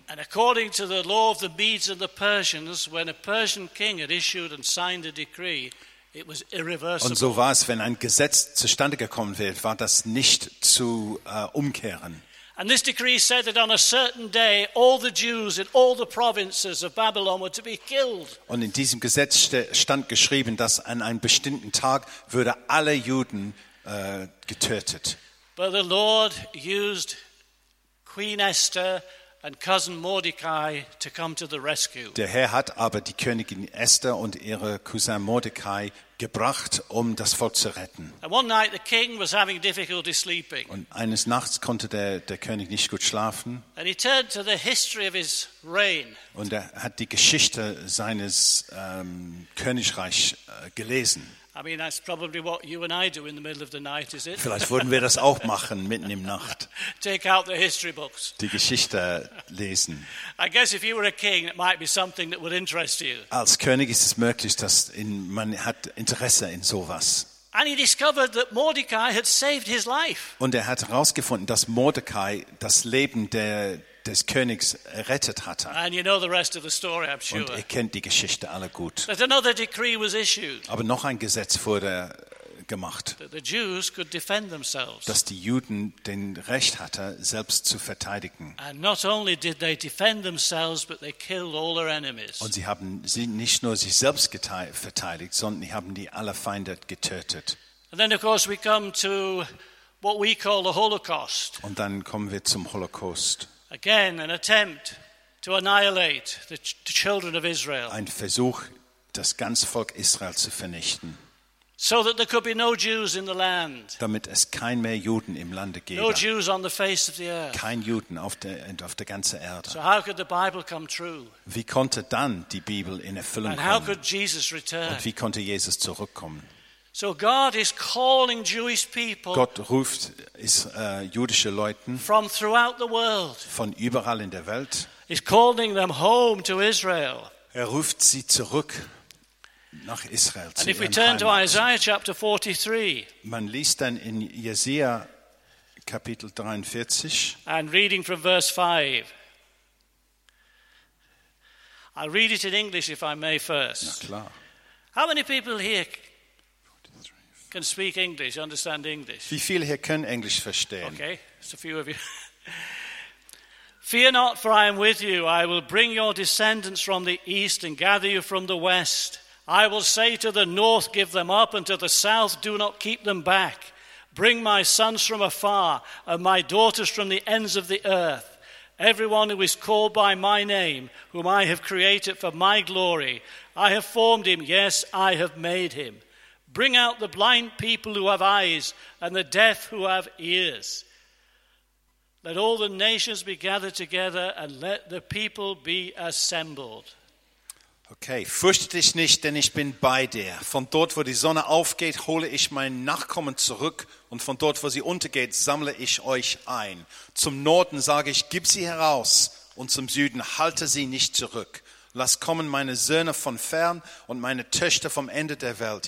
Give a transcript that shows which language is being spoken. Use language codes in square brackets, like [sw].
[en] And according to the law of the Medes and the Persians, when a Persian king had issued and signed a decree, it was irreversible. [de] Und so war es, wenn ein Gesetz zustande gekommen wird, war das nicht zu umkehren. [en] And this decree said that on a certain day all the Jews in all the provinces of Babylon were to be killed. [de] Und in diesem Gesetz stand geschrieben, dass an einem bestimmten Tag würde alle Juden getötet. [en] But the Lord used Queen Esther and cousin Mordecai to come to the rescue. [de] Der Herr hat aber die Königin Esther und ihre Cousin Mordecai gebracht, das Volk zu retten. [en] And one night the king was having difficulty sleeping. [de] Und eines Nachts konnte der König nicht gut schlafen. [en] And he turned to the history of his reign. [de] Und hat die Geschichte seines Königreichs gelesen. [en] I mean, that's probably what you and I do in the middle of the night, is it? [de] Vielleicht würden wir das auch machen mitten im Nacht. [en] Take out the history books. [de] Die Geschichte lesen. [en] I guess if you were a king, it might be something that would interest you. [de] Als König ist es möglich, man hat Interesse in sowas. [en] And he discovered that Mordecai had saved his life. [de] Und hat herausgefunden, dass Mordecai das Leben des Königs errettet hatte. [en] And you know the rest of the story, I'm sure. [de] Und kennt die Geschichte alle gut. [en] But another decree was issued. [de] Aber noch ein Gesetz wurde gemacht. [en] That the Jews could defend themselves. [de] Dass die Juden den Recht hatten, selbst zu verteidigen. [en] And not only did they defend themselves, but they killed all their enemies. [de] Und sie haben nicht nur sich selbst verteidigt, sondern sie haben die aller Feinde getötet. [en] And then of course we come to what we call the Holocaust. [de] Und dann kommen wir zum Holocaust. [en] Again, an attempt to annihilate the children of Israel. [de] Ein Versuch, das ganze Volk Israel zu vernichten. [en] So that there could be no Jews in the land. [de] Damit es kein mehr Juden im Lande gäbe. [en] No Jews on the face of the earth. [de] Kein Juden auf der ganzen Erde. [en] So how could the Bible come true? [de] Wie konnte dann die Bibel in Erfüllung kommen? [en] And how could Jesus return? [de] Und wie konnte Jesus zurückkommen? [en] So God is calling Jewish people. [de] Gott ruft jüdische Leuten [en] from throughout the world. [de] Von überall in der Welt. [en] He's calling them home to Israel. [de] Ruft sie zurück. nach Israel zu [en] And if we turn to Isaiah chapter 43, [de] man liest dann in Jesaja Kapitel 43 [en] and reading from verse 5. I'll read it in English if I may first. [de] Na klar. [en] How many people here can speak English, understand English? [de] Wie viele hier können Englisch verstehen? [en] Okay, it's a few of you. Fear not, for I am with you. I will bring your descendants from the east and gather you from the west. I will say to the north, give them up, and to the south, do not keep them back. Bring my sons from afar and my daughters from the ends of the earth. Everyone who is called by my name, whom I have created for my glory, I have formed him, yes, I have made him. Bring out the blind people who have eyes and the deaf who have ears. Let all the nations be gathered together and let the people be assembled. [de] Okay, fürchte dich nicht, denn ich bin bei dir. Von dort, wo die Sonne aufgeht, hole ich mein Nachkommen zurück und von dort, wo sie untergeht, sammle ich euch ein. Zum Norden sage ich, gib sie heraus und zum Süden, halte sie nicht zurück. Lass kommen meine Söhne von fern und meine Töchter vom Ende der Welt.